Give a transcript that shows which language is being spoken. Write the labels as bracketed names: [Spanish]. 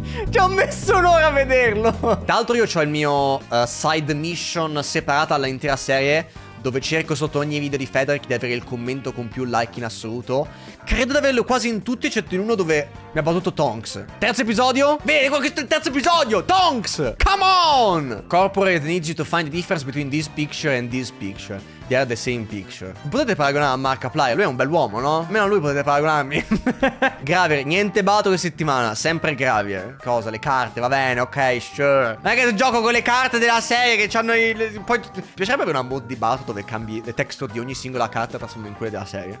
[Italian] Ci ho messo un'ora a vederlo. Tra l'altro io ho il mio side mission separata all'intera serie, dove cerco sotto ogni video di Federic di avere il commento con più like in assoluto. Credo di averlo quasi in tutti, eccetto in uno dove mi ha battuto Tonks. Terzo episodio? Vedi, questo è il terzo episodio! [English] Tonks! Come on! Corporate needs you to find the difference between this picture and this picture. They are the same picture. [Italian] Potete paragonare a Markiplier? Lui è un bel uomo, no? Almeno a lui potete paragonarmi. Gravier, niente battuto questa settimana. Sempre Gravier. Cosa? Le carte? Va bene, ok, sure. Ma che gioco con le carte della serie che c'hanno i... Poi... Piacerebbe avere una mod di battuto dove cambi le texture di ogni singola carta e trasformi in quelle della serie.